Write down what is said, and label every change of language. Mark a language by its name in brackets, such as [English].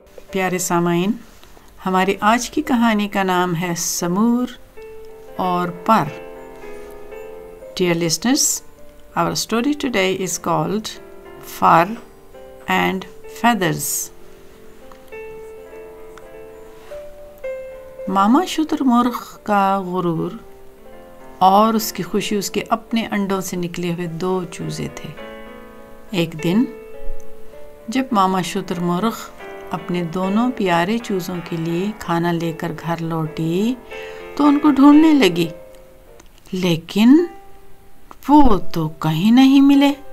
[Urdu] پیارے سامعین، ہماری آج کی کہانی کا نام ہے سمور اور پر. [English] Dear listeners, our story today is called Fur and Feathers. [Urdu] ماما شتر مرغ کا غرور اور اس کی خوشی اس کے اپنے انڈوں سے نکلے ہوئے دو چوزے تھے. ایک دن جب ماما شتر مرغ اپنے دونوں پیارے چوزوں کے لیے کھانا لے کر گھر لوٹی تو ان کو ڈھونڈنے لگی، لیکن وہ تو کہیں نہیں ملے.